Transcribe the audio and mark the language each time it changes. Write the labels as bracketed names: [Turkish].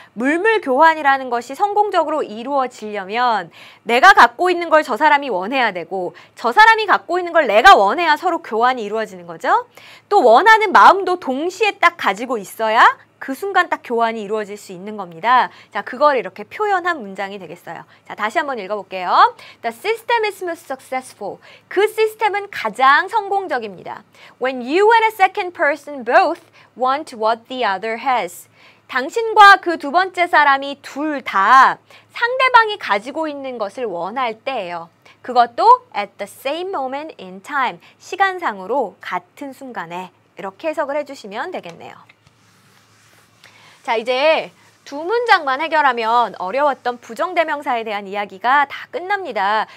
[Korean] 물물 교환이라는 것이 성공적으로 이루어지려면 내가 갖고 있는 걸 저 사람이 원해야 되고 저 사람이 갖고 있는 걸 내가 원해야 서로 교환이 이루어지는 거죠. 또 원하는 마음도 동시에 딱 가지고 있어야 그 순간 딱 교환이 이루어질 수 있는 겁니다. 자, 그걸 이렇게 표현한 문장이 되겠어요. 자, 다시 한번 읽어볼게요. [English] The system is most successful. [Korean] 그 시스템은 가장 성공적입니다. [English] When you and a second person both want what the other has. [Korean] 당신과 그 두 번째 사람이 둘 다 상대방이 가지고 있는 것을 원할 때예요. 그것도 [English] at the same moment in time. [Korean] 시간상으로 같은 순간에 이렇게 해석을 해주시면 되겠네요. 자, 이제 두 문장만 해결하면 어려웠던 부정대명사에 대한 이야기가 다 끝납니다.